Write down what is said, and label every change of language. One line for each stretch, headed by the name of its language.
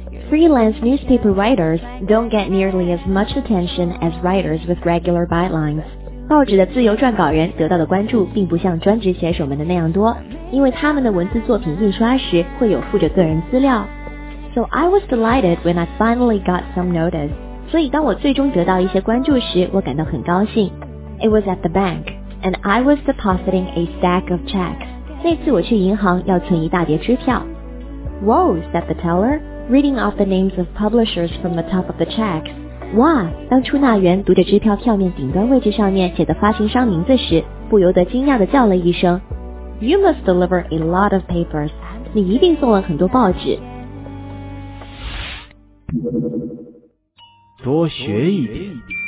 English: Freelance newspaper writers don't get nearly as much attention as writers with regular bylines.
Chinese: 报纸的自由撰稿人得到的关注并不像专职写手们的那样多，因为他们的文字作品印刷时会有附着个人资料。
English: So I was delighted when I finally got some notice.
Chinese: 所以当我最终得到一些关注时，我感到很高兴。
English: It was at the bank, and I was depositing a stack of checks.
Chinese: 那次我去银行要存一大叠支票。
English: Whoa, said the teller. Reading off the names of publishers from the top of the checks.
Chinese: 哇，当出纳员读着支票票面顶端位置上面写的发行商名字时，不由得惊讶地叫了一声。
English: You must deliver a lot of papers.
Chinese: 你一定送了很多报纸。多学一点。